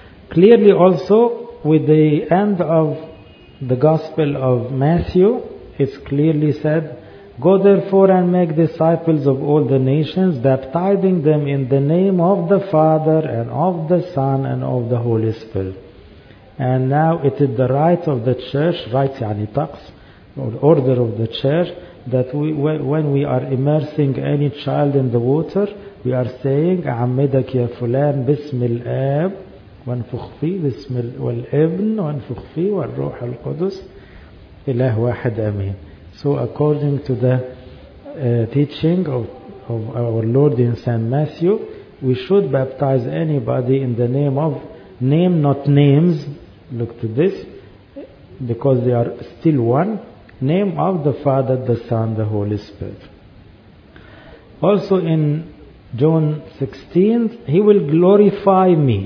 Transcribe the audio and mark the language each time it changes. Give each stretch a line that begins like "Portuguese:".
English: Clearly also, with the end of the Gospel of Matthew, it's clearly said, "Go therefore and make disciples of all the nations, baptizing them in the name of the Father and of the Son and of the Holy Spirit." And now it is the right of the church, right,
Arabic: yani taqs,
English: or order of the church, that we, when we are immersing any child in the water, we are saying,
Arabic: "Ammidak ya fulan bismil ab." وانفخ فيه بسم والابن وانفخ فيه والروح القدس إله واحد أمين.
English: So according to the teaching of our Lord in Saint Matthew, we should baptize anybody in the name of name, not names. Look to this, because they are still one. Name of the Father, the Son, the Holy Spirit. Also in John 16, he will glorify me.